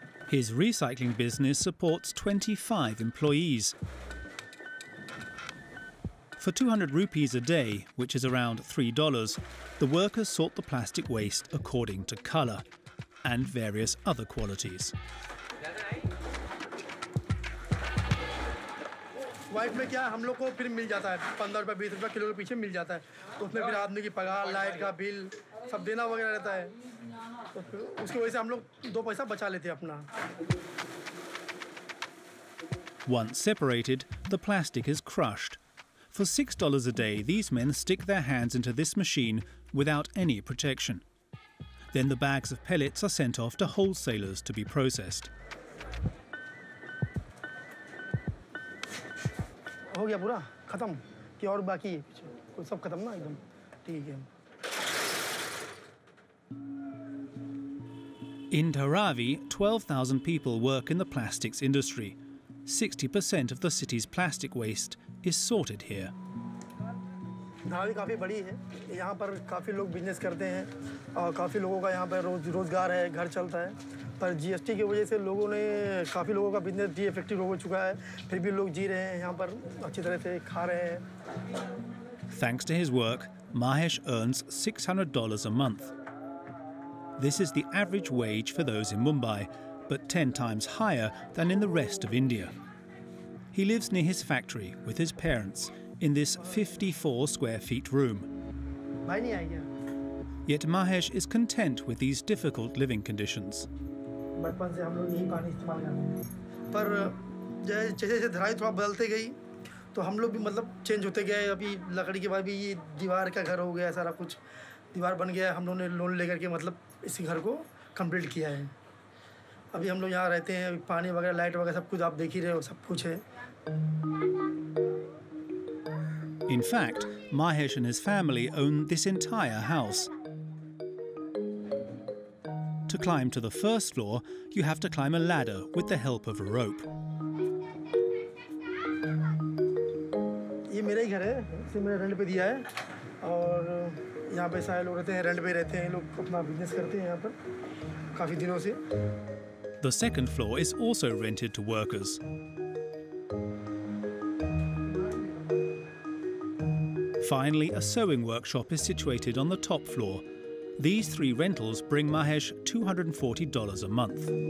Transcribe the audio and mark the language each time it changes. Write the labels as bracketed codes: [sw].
[en] His recycling business supports 25 employees. For 200 rupees a day, which is around $3, the workers sort the plastic waste according to colour and various other qualities. [hi] White में क्या हम लोग को फिर मिल जाता है 15 रुपए 20 रुपए किलो के पीछे मिल जाता है तो उसमें फिर आदमी की पगार लाइट का बिल सब देना वगैरह रहता है उसकी वजह से हम लोग दो पैसा बचा लेते हैं अपना [en] Once separated, the plastic is crushed. For $6 a day, these men stick their hands into this machine without any protection. Then the bags of pellets are sent off to wholesalers to be processed. [hi] हो गया पूरा खत्म कि और बाकी है पीछे सब खत्म ना एकदम ठीक है [en] In Dharavi, 12,000 people work in the plastics industry. 60% of the city's plastic waste is sorted here. [hi] Dharavi काफी बड़ी है यहाँ पर काफी लोग बिजनेस करते हैं और काफी लोगों का यहाँ पर रोजगार है घर चलता है पर जीएसटी की वजह से लोगों ने काफी लोगों का बिजनेस डी इफेक्टिव हो चुका है फिर भी लोग जी रहे हैं यहाँ पर अच्छी तरह से खा रहे हैं [en] Thanks to his work, Mahesh earns $600 a month. This is the average wage for those in Mumbai, but 10 times higher than in the rest of India. He lives near his factory with his parents in this 54 square feet room. Yet Mahesh is content with these difficult living conditions. [hi] बचपन से हम लोग यही पानी इस्तेमाल करते हैं पर जैसे जैसे धराई थोड़ा बदलते गई तो हम लोग भी मतलब चेंज होते गए अभी लकड़ी के बाद भी ये दीवार का घर हो गया सारा कुछ दीवार बन गया हम लोगों ने लोन लेकर के मतलब इस घर को कंप्लीट किया है अभी हम लोग यहाँ रहते हैं अभी पानी वगैरह लाइट वगैरह सब कुछ आप देख ही रहे हो सब कुछ है [en] In fact, Mahesh and his family own this entire house. To climb to the first floor, you have to climb a ladder with the help of a rope. [hi] ये मेरा ही घर है, इसे मैंने रेंट पे दिया है, और यहाँ पे सारे लोग रहते हैं, रेंट पे रहते हैं, लोग अपना बिजनेस करते हैं यहाँ पर, काफी दिनों से। [en] The second floor is also rented to workers. Finally, a sewing workshop is situated on the top floor. These three rentals bring Mahesh $240 a month.